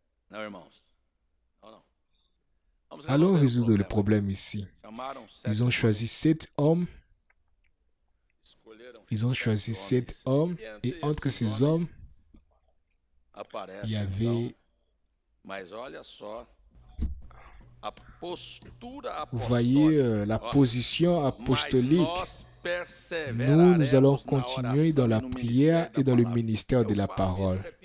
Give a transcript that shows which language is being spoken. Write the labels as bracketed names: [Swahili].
[French] Non, [Portuguese] irmãos. [French] Allons résoudre le problème ici. Ils ont choisi sept hommes Ils ont choisi sept hommes, et entre ces hommes, il y avait... [Portuguese] Mais olha só, a postura apostólica. [French] Vous voyez la position apostolique. Nous, nous allons continuer dans la prière et dans le ministère de la parole.